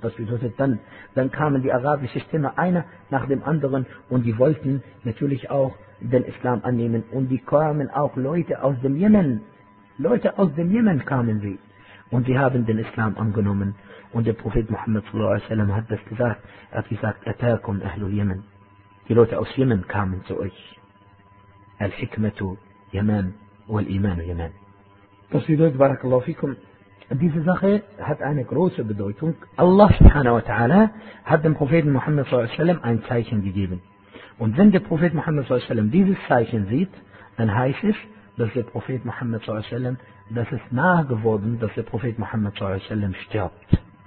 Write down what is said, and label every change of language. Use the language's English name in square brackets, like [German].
[German] Das bedeutet dann kamen die arabische Stämme einer nach dem anderen und die wollten natürlich auch den Islam annehmen und die kamen auch Leute aus dem Jemen. Leute aus dem Jemen kamen sie und sie haben den Islam angenommen und der Prophet Muhammad sallallahu alaihi wasallam hat das gesagt. Er hat gesagt, [Arabic] Atakum Ahlul Yemen. [German] Die Leute aus Jemen kamen zu euch. [Arabic] الحكمة يمان والإيمان يمان. [German] Das bedeutet, barakallahu fikum, diese Sache hat eine große Bedeutung. Allah subhanahu wa ta'ala hat dem Propheten Muhammad sallallahu alaihi wasallam ein Zeichen gegeben. Und wenn der Prophet Muhammad sallallahu alaihi wasallam dieses Zeichen sieht, dann heißt es, dass der Prophet Muhammad sallallahu alaihi wasallam, dass es nahe geworden, dass der Prophet Muhammad sallallahu alaihi wasallam stirbt.